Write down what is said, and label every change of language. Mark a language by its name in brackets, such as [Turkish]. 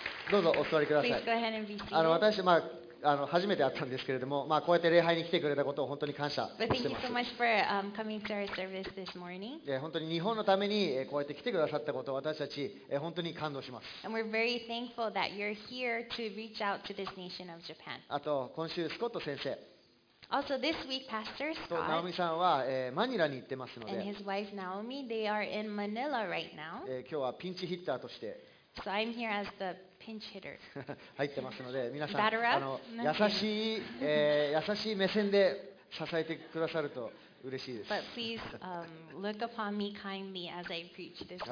[Japanese] どうぞお座りください。 [English] Please go ahead and be seated. [Japanese] 私、初めて会ったんですけれども、こうやって礼拝に来てくれたことを本当に感謝してます。 [English] But thank you so much for coming to our service this morning. [Japanese] 本当に日本のためにこうやって来てくださったことを私たち本当に感動します。 [English] And we're very thankful that you're here to reach out to this nation of Japan. [Japanese] あと今週スコット先生。 [English] Also this week, Pastor Scott. [Japanese] ナオミさんはマニラに行ってますので。 [English] And his wife Naomi, they are in Manila right now. [Japanese] 今日はピンチヒッターとして。 [English] So I'm here as the pinch hitter. [Japanese] 入ってますので、皆さん優しい目線で支えてくださると嬉しいです。 [English] But please look upon me kindly as I preach this morning.